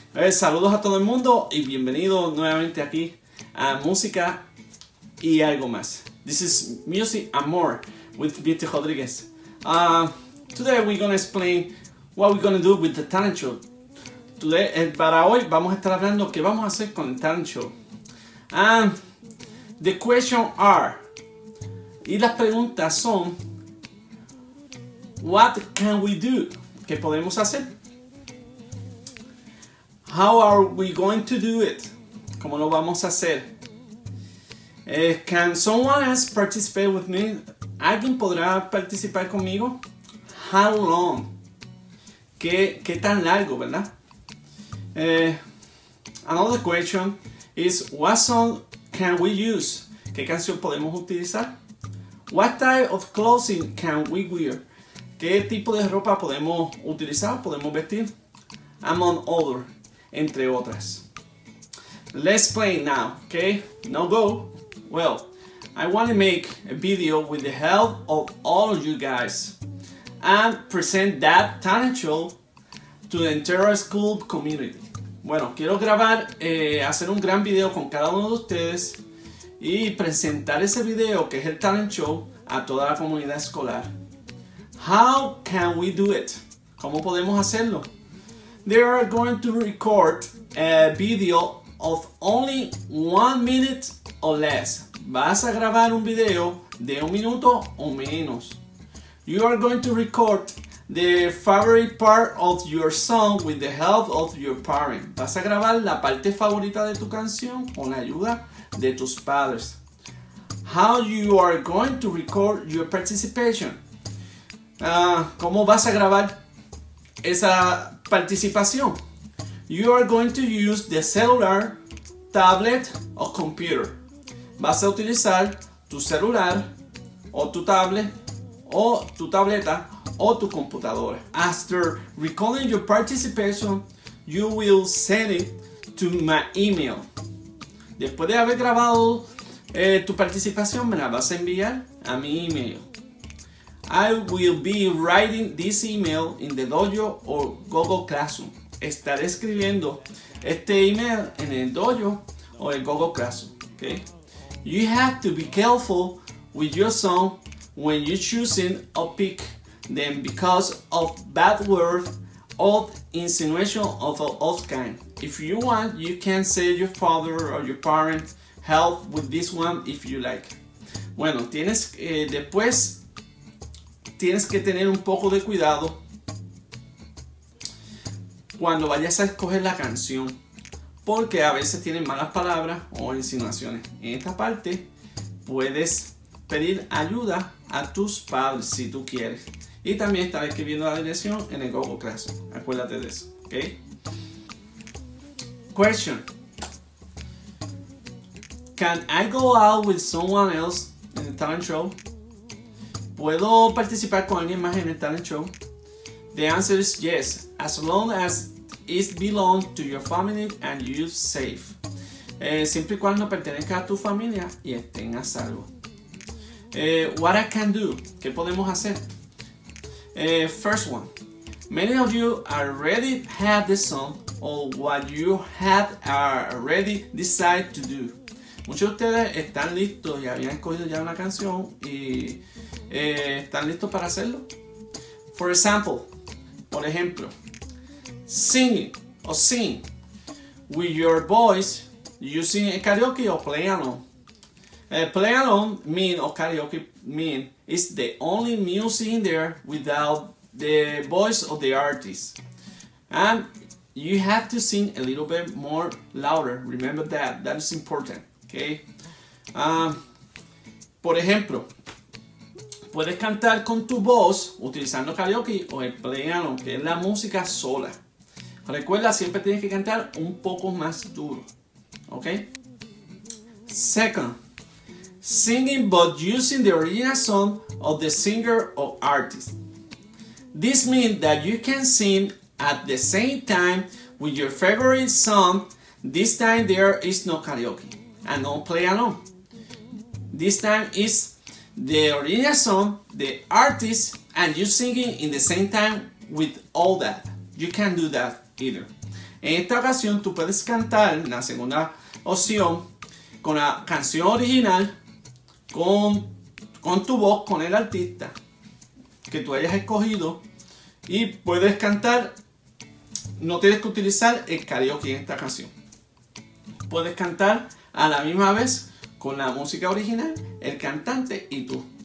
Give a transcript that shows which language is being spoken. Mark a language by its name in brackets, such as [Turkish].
[Spanish] Saludos a todo el mundo y bienvenido nuevamente aquí a Música y Algo Más. [English] This is Music and More with Vitor Rodriguez. Today we're gonna explain what we're gonna do with the talent show. Today, [Spanish] para hoy vamos a estar hablando qué vamos a hacer con el talent show. [English] And the question are, [Spanish] y las preguntas son, [English] what can we do? [Spanish] ¿Qué podemos hacer? [English] How are we going to do it? [Spanish] ¿Cómo lo vamos a hacer? [English] Can someone else participate with me? [Spanish] ¿Alguien podrá participar conmigo? [English] How long? [Spanish] ¿Qué tan largo, verdad? [English] Another question is, what song can we use? [Spanish] ¿Qué canción podemos utilizar? [English] What type of clothing can we wear? [Spanish] ¿Qué tipo de ropa podemos utilizar, podemos vestir? [English] Among other, [Spanish] entre otras. [English] Let's play now, okay? No go. Well, I want to make a video with the help of all of you guys and present that talent show to the entire school community. [Spanish] Bueno, quiero grabar, hacer un gran video con cada uno de ustedes y presentar ese video, que es el talent show, a toda la comunidad escolar. [English] How can we do it? [Spanish] ¿Cómo podemos hacerlo? [English] They are going to record a video of only 1 minute or less. [Spanish] Vas a grabar un video de 1 minuto o menos. [English] You are going to record the favorite part of your song with the help of your parent. [Spanish] Vas a grabar la parte favorita de tu canción con la ayuda de tus padres. [English] How you are going to record your participation? [Spanish] ¿Cómo vas a grabar esa participación? [English] You are going to use the cellular, tablet or computer. [Spanish] Vas a utilizar tu celular o tu tablet o tu tableta o tu computadora. [English] After recording your participation, you will send it to my email. [Spanish] Después de haber grabado tu participación, me la vas a enviar a mi email. [English] I will be writing this email in the Dojo or Google Classroom. [Spanish] Estaré escribiendo este email en el Dojo o el Google Classroom, okay? [English] You have to be careful with your song when you choosing a pick them because of bad words or insinuation of all kind. If you want, you can say your father or your parent help with this one if you like. [Spanish] Bueno, tienes que tener un poco de cuidado cuando vayas a escoger la canción, porque a veces tienen malas palabras o insinuaciones. En esta parte puedes pedir ayuda a tus padres si tú quieres. Y también estar escribiendo la dirección en el Google Classroom. Acuérdate de eso, ¿ok? [English] Question. Can I go out with someone else in the talent show? [Spanish] ¿Puedo participar con alguien más en el talent show? [English] The answer is yes, as long as it belongs to your family and you're safe. [Spanish] Siempre y cuando pertenezca a tu familia y estén a salvo. [English] What I can do? [Spanish] ¿Qué podemos hacer? [English] First one. Many of you already have the song or what you have already decided to do. [Spanish] Muchos de ustedes están listos y habían escogido ya una canción y están listos para hacerlo. [English] For example, [Spanish] por ejemplo, [English] singing or sing. with your voice using a karaoke or play along. Play along mean, or karaoke mean, is the only music in there without the voice of the artist. And you have to sing a little bit more louder. Remember that. That is important. Okay. [Spanish] Por ejemplo, puedes cantar con tu voz utilizando karaoke o el piano, que es la música sola. Recuerda, siempre tienes que cantar un poco más duro. [English] Okay. Second, singing but using the original song of the singer or artist. This means that you can sing at the same time with your favorite song. This time there is no karaoke and no play along. This time is the original song, the artist, and you singing in the same time with all that. You can do that either. [Spanish] En esta ocasión, tú puedes cantar la segunda opción con la canción original, con tu voz, con el artista que tú hayas escogido, y puedes cantar. No tienes que utilizar el karaoke en esta canción. Puedes cantar a la misma vez con la música original, el cantante y tú.